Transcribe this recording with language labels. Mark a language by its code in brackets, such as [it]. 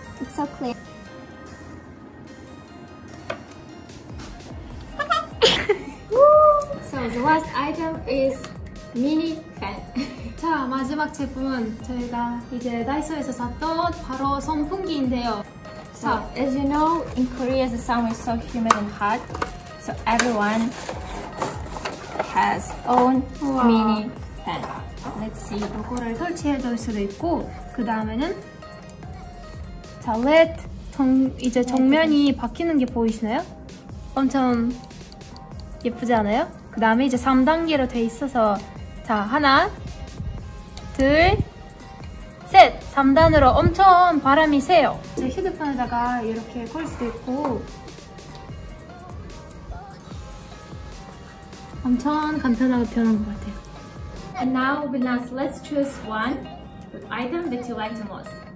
[en] It's so clear. So the last item is mini fan. [ko] 자, 마지막 제품은 저희가 이제 다이소에서 샀던 바로 선풍기인데요. [en] So as you know, in Korea the summer is so humid and hot. So everyone has own mini fan. Let's see. [ko] 요거를 설치해줄 수도 있고, 그 다음에는 자, LED 정, 이제 정면이 바뀌는 게 보이시나요? 엄청 예쁘지 않아요? 그 다음에 이제 3단계로 돼 있어서 자, 하나, 둘, 셋! 3단으로 엄청 바람이 세요. 제 휴대폰에다가 이렇게 걸 수도 있고 엄청 간편하게 변한 것 같아요. [en] And now, Binas, let's choose one item that you like the most.